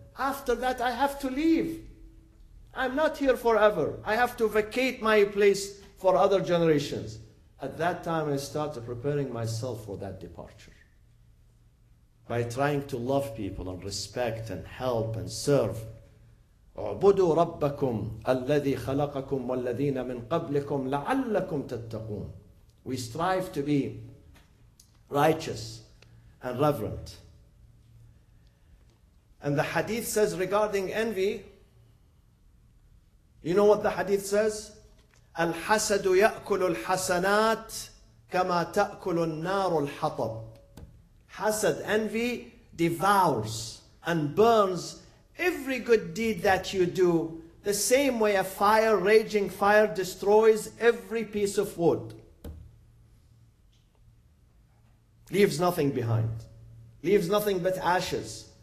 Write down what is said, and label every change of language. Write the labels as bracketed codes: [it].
[en] After that, I have to leave. I'm not here forever. I have to vacate my place for other generations. At that time, I started preparing myself for that departure. By trying to love people and respect and help and serve. [ar] اعبدوا ربكم الذي خلقكم والذين من قبلكم لعلكم تتقون. [en] We strive to be righteous and reverent. And the hadith says regarding envy, you know what the hadith says? [ar] الحسد يأكل الحسنات كما تأكل النار الحطب. [en] Hasad, envy, devours and burns every good deed that you do the same way a fire, raging fire, destroys every piece of wood. Leaves nothing behind. Leaves nothing but ashes.